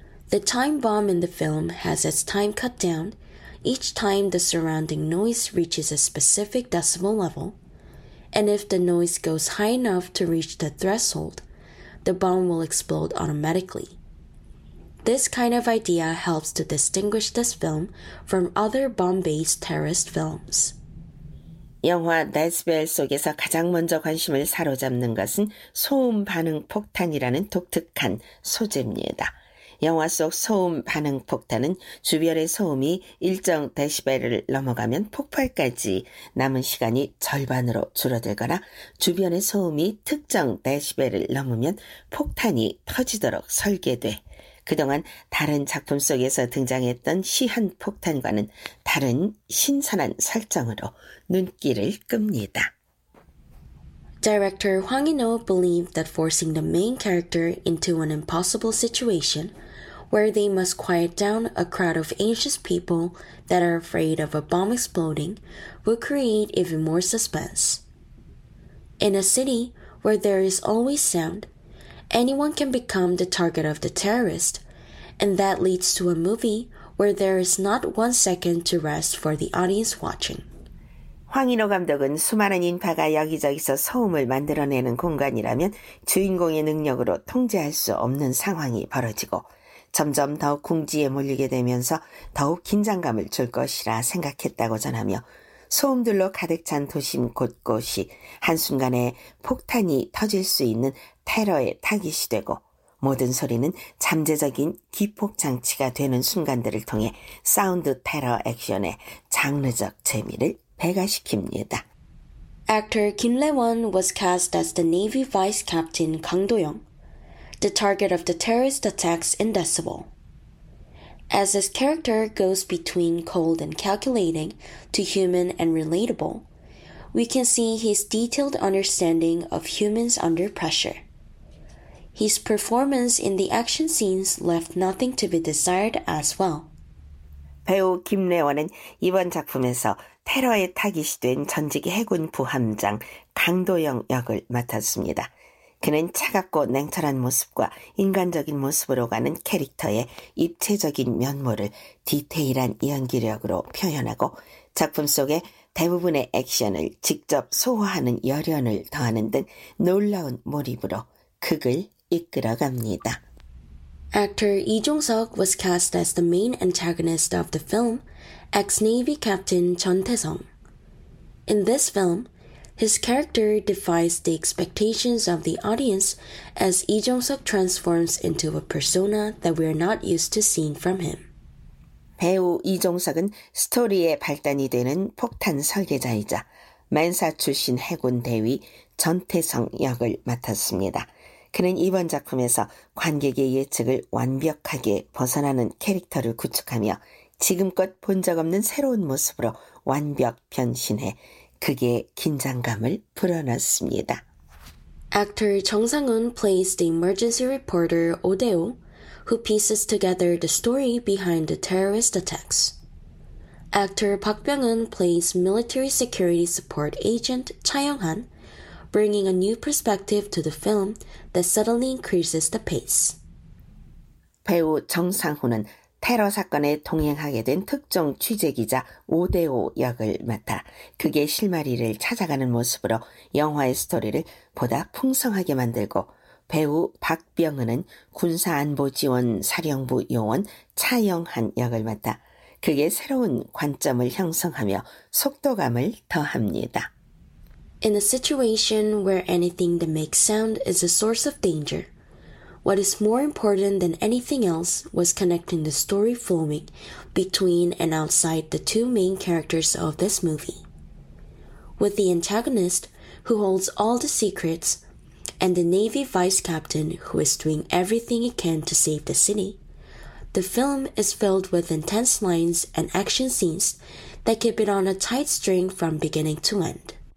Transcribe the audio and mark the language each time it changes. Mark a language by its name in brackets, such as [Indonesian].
[English] The time bomb in the film has its time cut down each time the surrounding noise reaches a specific decibel level, and if the noise goes high enough to reach the threshold, the bomb will explode automatically. This kind of idea helps to distinguish this film from other bomb-based terrorist films. [Korean] 영화 데시벨 속에서 가장 먼저 관심을 사로잡는 것은 소음 반응 폭탄이라는 독특한 소재입니다. 영화 속 소음 반응 폭탄은 주변의 소음이 일정 데시벨을 넘어가면 폭발까지 남은 시간이 절반으로 줄어들거나 주변의 소음이 특정 데시벨을 넘으면 폭탄이 터지도록 설계돼 그동안 다른 작품 속에서 등장했던 시한 폭탄과는 다른 신선한 설정으로 눈길을 끕니다. [English] Director Hwang In-ho believed that forcing the main character into an impossible situation where they must quiet down a crowd of anxious people that are afraid of a bomb exploding would create even more suspense. In a city where there is always sound, anyone can become the target of the terrorist, and that leads to a movie where there is not one second to rest for the audience watching. [Korean] 황인호 감독은 수많은 인파가 여기저기서 소음을 만들어내는 공간이라면 주인공의 능력으로 통제할 수 없는 상황이 벌어지고 점점 더 궁지에 몰리게 되면서 더욱 긴장감을 줄 것이라 생각했다고 전하며 소음들로 가득 찬 도심 곳곳이 한순간에 폭탄이 터질 수 있는 테러의 타깃이 되고 모든 소리는 잠재적인 기폭장치가 되는 순간들을 통해 사운드 테러 액션의 장르적 재미를 배가시킵니다. [English] Actor Kim Lae-won was cast as the Navy Vice Captain Kang Do-young, the target of the terrorist attacks in Decibel. As his character goes between cold and calculating to human and relatable, we can see his detailed understanding of humans under pressure. His performance in the action scenes left nothing to be desired as well. [Korean] 배우 김래원은 이번 작품에서 테러의 타깃이 된 전직 해군 부함장 강도영 역을 맡았습니다. 그는 차갑고 냉철한 모습과 인간적인 모습으로 가는 캐릭터의 입체적인 면모를 디테일한 연기력으로 표현하고 작품 속의 대부분의 액션을 직접 소화하는 열연을 더하는 등 놀라운 몰입으로 극을 이끌어갑니다. [English] Actor Lee Jong-seok was cast as the main antagonist of the film, ex-Navy Captain Chun Tae-sung. In this film, his character defies the expectations of the audience as Lee Jong-seok transforms into a persona that we are not used to seeing from him. [Korean] 배우 이종석은 스토리의 발단이 되는 폭탄 설계자이자 맨사 출신 해군 대위 전태성 역을 맡았습니다. 그는 이번 작품에서 관객의 예측을 완벽하게 벗어나는 캐릭터를 구축하며 지금껏 본 적 없는 새로운 모습으로 완벽 변신해 극의 긴장감을 불어넣습니다. [English] Actor 정상훈 plays the emergency reporter Oh Dae-woo, who pieces together the story behind the terrorist attacks. Actor Park Byung-eun plays military security support agent Cha Young-han, bringing a new perspective to the film that suddenly increases the pace. [Korean] 배우 정 상호는 테러 사건에 동행하게 된 특정 취재 기자 오대호 역을 맡아 그의 실마리를 찾아가는 모습으로 영화의 스토리를 보다 풍성하게 만들고 배우 박병은은 군사안보지원사령부 요원 차영한 역을 맡아 그의 새로운 관점을 형성하며 속도감을 더합니다. [English] In a situation where anything that makes sound is a source of danger, what is more important than anything else was connecting the story flowing between and outside the two main characters of this movie. With the antagonist, who holds all the secrets, and the Navy vice captain, who is doing everything he can to save the city, the film is filled with intense lines and action scenes that keep it on a tight string from beginning to end.